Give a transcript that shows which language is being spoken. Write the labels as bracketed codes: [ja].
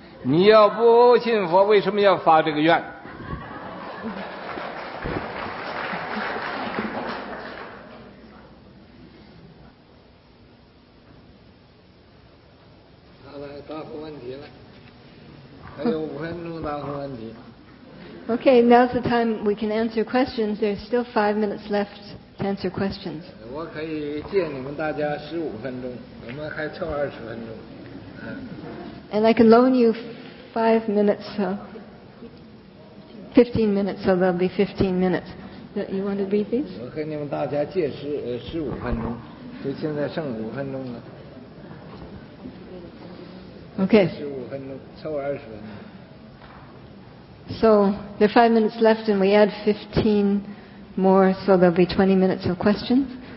[zh] 你要不信佛，为什么要发这个愿？好了，答复问题了，还有五分钟答复问题。 [en] Okay, now's the time we can answer questions. There's still 5 minutes left. Answer questions. [zh] 我可以借你们大家15分钟，我们还凑20分钟。 [en] And I can loan you 5 minutes, so 15 minutes, so there'll be 15 minutes. You want to read these? [zh] 我和你们大家借15分钟，就现在剩5分钟了。 [en] Okay. [zh] 15分钟，凑20分钟。 [en] So there are 5 minutes left, and we add 15. More, so there'll be 20 minutes of questions.